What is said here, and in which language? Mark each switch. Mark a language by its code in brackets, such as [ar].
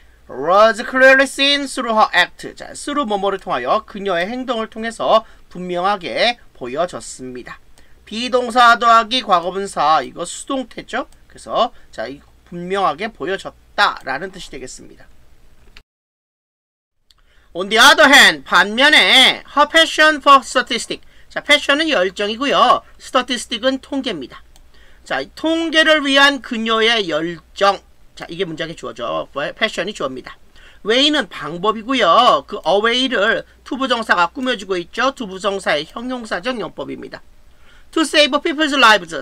[en] Was clearly seen through her act. [ko] 자, through 뭐뭐를 통하여 그녀의 행동을 통해서 분명하게 보여졌습니다. 비동사 더하기 과거분사, 이거 수동태죠. 그래서 자, 이 분명하게 보여졌다라는 뜻이 되겠습니다. [en] On the other hand, 반면에 her passion for statistics. [ko] 자, passion은 열정이고요. statistics은 통계입니다. 자, 통계를 위한 그녀의 열정. 자, 이게 문장에 주어져. 패션이 주어입니다. way는 방법이고요. 그 away를 to 부정사가 꾸며주고 있죠. to 부정사의 형용사적 용법입니다. [en] to save people's lives.